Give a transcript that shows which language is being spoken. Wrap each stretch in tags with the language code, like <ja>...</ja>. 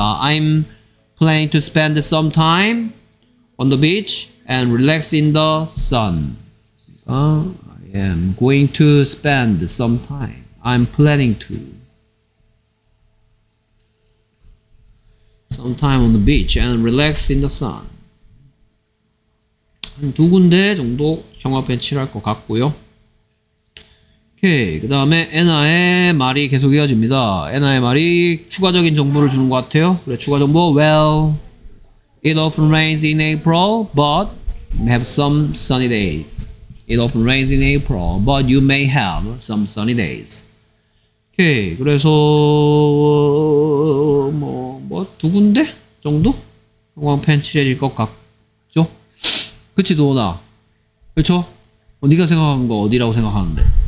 <en>I'm planning to spend some time on the beach and relax in the sun. I am going to spend some time. I'm planning to. Some time on the beach and relax in the sun.</en> <ko>한 두 군데 정도 형화 벤치를 할 것 같고요. 오케이. 그 다음에 애나의 말이 계속 이어집니다. 애나의 말이 추가적인 정보를 주는 것 같아요. 그래, 추가 정보.</ko> <en>Well, it often rains in April, but we have some sunny days. It often rains in April, but you may have some sunny days.</en> <ko>오케이. 그래서 뭐 두 군데 정도 형광펜 칠해질 것 같죠? 그치 도나? 그쵸? 네가 생각한 거 어디라고 생각하는데?</ko>